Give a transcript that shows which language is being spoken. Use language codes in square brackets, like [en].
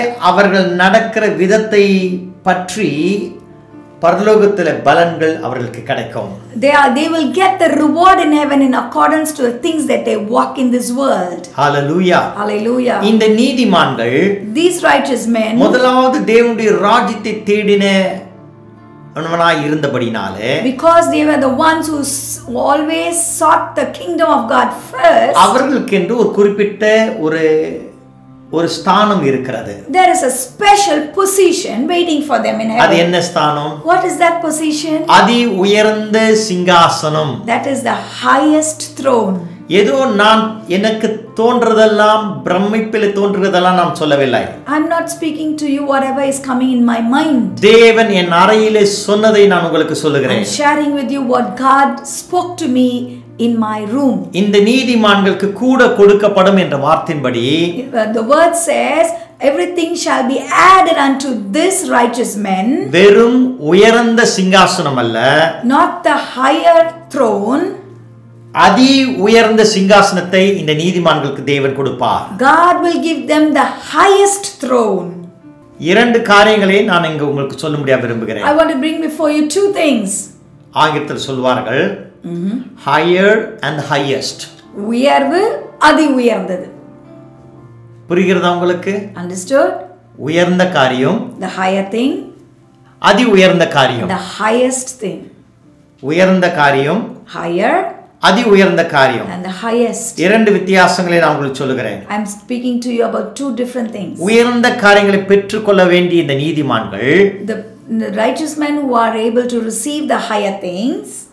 [ta] அவர்கள் நடக்கிற விதத்தை பற்றி பரலோகத்தில் பலன்கள் அவர்களுக்கு கிடைக்கும் [en] they will get the reward in heaven in accordance to the things that they walk in this world hallelujah hallelujah [ta] இந்த நீதிமான்கள் [en] these righteous men [ta] முதலாவது தேவனுடைய ராஜ்யத்தை தேடின அவனாய் இருந்தபடினாலே [en] because they were the ones who always sought the kingdom of god first [ta] அவர்களுக்கு என்று ஒரு குறிப்பிட்ட ஒரு ஒரு ஸ்தானம் இருக்கிறது [en] there is a special position waiting for them in heaven [ta] அது என்ன ஸ்தானம் [en] what is that position [ta] அதி உயர்ந்த சிங்காசனம் [en] that is the highest throne [ta] ஏதோ நான் எனக்கு தோன்றதெல்லாம் பிரம்மிப்பில் தோன்றதெல்லாம் நான் சொல்லவில்லை [en] I'm not speaking to you whatever is coming in my mind [ta] தேவன் என் அறையிலே சொன்னதை நான் உங்களுக்கு சொல்கிறேன் [en] I'm sharing with you what god spoke to me in my room [ta] இந்த நீதிமான்களுக்கு கூட கொடுக்கப்படும் என்ற வார்த்தின்படி [en] the word says everything shall be added unto this righteous man [ta] வெறும் உயர்ந்த சிங்காசனம் அல்ல [en] not the higher throne [ta] அதி உயர்ந்த சிங்காசனத்தை இந்த நீதிமான்களுக்கு தேவன் கொடுப்பார் [en] god will give them the highest throne [ta] இரண்டு காரியங்களை நான் இங்கு உங்களுக்கு சொல்ல முடிய விரும்புகிறேன் [en] i want to bring before you two things [ta] ஆங்கிலத்தில் சொல்வார்கள் [en] higher and highest [ta] உயர்வு அதி உயர்ந்தது புரிகிறதா உங்களுக்கு [en] understood [ta] உயர்ந்த காரியம் [en] the higher thing [ta] அதி உயர்ந்த காரியம் [en] the highest thing [ta] உயர்ந்த காரியம் [en] higher [ta] அதி உயர்ந்த காரியம் [en] and the highest [ta] இரண்டு வித்தியாசங்களை நான் உங்களுக்கு சொல்கிறேன் [en] i'm speaking to you about two different things [ta] உயர்ந்த காரியங்களை பெற்றுக்கொள்ள வேண்டிய இந்த நீதிமான்கள் [en] the righteous men who are able to receive the higher things